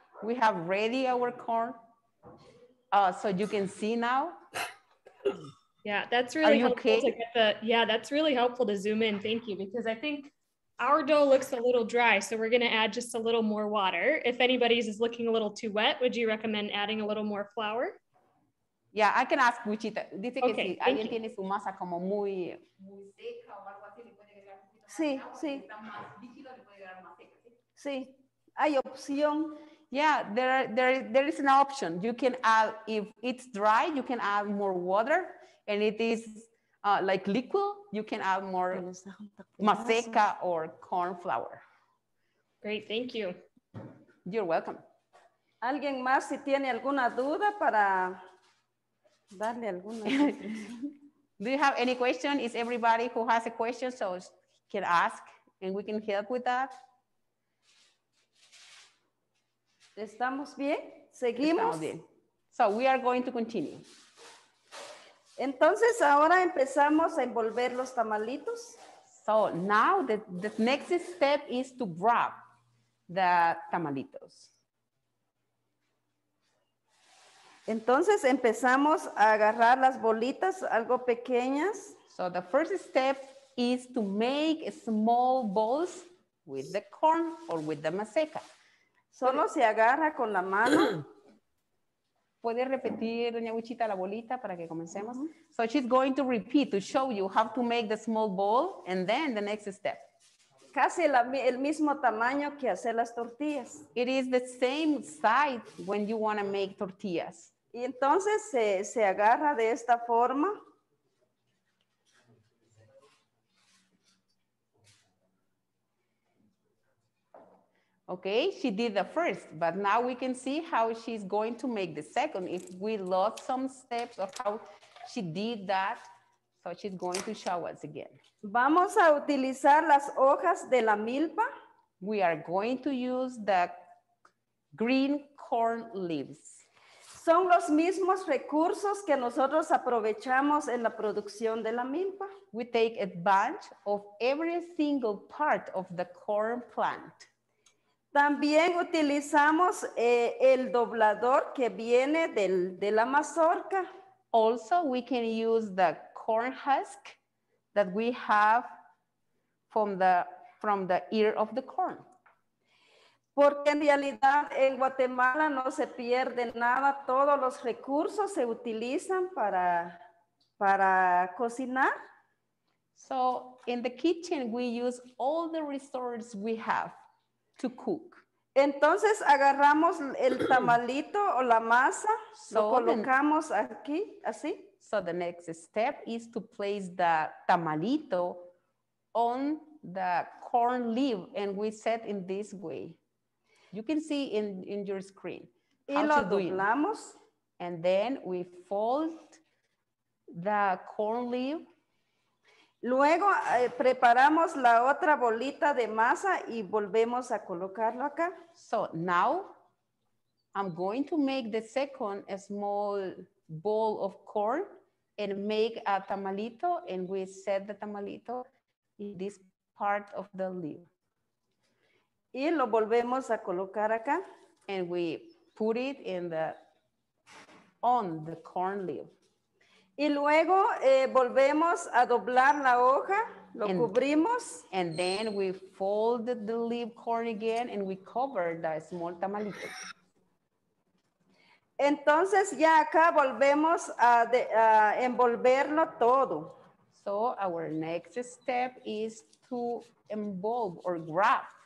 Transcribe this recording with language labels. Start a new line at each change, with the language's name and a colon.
English: We have ready our corn. So you can see now. Yeah, that's really helpful okay? to get the yeah, that's really helpful to zoom in. Thank you, because I think our dough looks a little dry, so we're going to add just a little more water. If anybody's is looking a little too wet, would you recommend adding a little more flour? Yeah, I can ask Wichita.
Spanish: Dice okay, que si alguien tiene su masa como muy seca o algo así, le puede agregar un poquito más de agua. Sí, sí. Si está más líquido, le puede agregar más seca. Sí, hay opción.
English: Yeah, there is an option. You can add, if it's dry, you can add more water, and it is like liquid, you can add more maseca or corn flour. Great, thank you. You're welcome.
Spanish: ¿Alguien más si tiene alguna duda para darle alguna?
English: Do you have any question? Is everybody who has a question so can ask and we can help with that?
Spanish: ¿Estamos bien? ¿Seguimos? Estamos bien.
English: So we are going to continue.
Spanish: Entonces, ahora empezamos a envolver los tamalitos.
English: So, now the next step is to wrap the tamalitos.
Spanish: Entonces, empezamos a agarrar las bolitas, algo pequeñas.
English: So, the first step is to make small balls with the corn or with the maseca.
Spanish: Solo se agarra con la mano. ¿Puede repetir, Doña Wichita, la bolita para que comencemos? Mm-hmm.
English: So she's going to repeat to show you how to make the small ball and then the next step.
Spanish: Casi el mismo tamaño que hacer las tortillas.
English: It is the same size when you want to make tortillas.
Spanish: Y entonces se agarra de esta forma.
English: Okay, she did the first, but now we can see how she's going to make the second. If we lost some steps of how she did that, so she's going to show us again.
Spanish: Vamos a utilizar las hojas de la milpa.
English: We are going to use the green corn leaves.
Spanish: Son los mismos recursos que nosotros aprovechamos en la producción de la milpa.
English: We take advantage of every single part of the corn plant.
Spanish: También utilizamos el doblador que viene de la mazorca.
English: Also, we can use the corn husk that we have from the ear of the corn.
Spanish: Porque en realidad en Guatemala no se pierde nada. Todos los recursos se utilizan para cocinar.
English: So, in the kitchen, we use all the resources we have to cook.
Spanish: Entonces agarramos el tamalito o la masa, lo colocamos aquí, así.
English: So the next step is to place the tamalito on the corn leaf and we set in this way. You can see in your screen.
Spanish: Y lo doblamos.
English: And then we fold the corn leaf.
Spanish: Luego preparamos la otra bolita de masa y volvemos a colocarlo acá.
English: So now I'm going to make the second small ball of corn and make a tamalito and we set the tamalito in this part of the leaf.
Spanish: Y lo volvemos a colocar acá.
English: And we put it on the corn leaf.
Spanish: Y luego volvemos a doblar la hoja, cubrimos.
English: And then we fold the leaf corn again and we cover the small tamalito.
Spanish: Entonces ya acá volvemos a envolverlo todo.
English: So our next step is to envolve or wrap.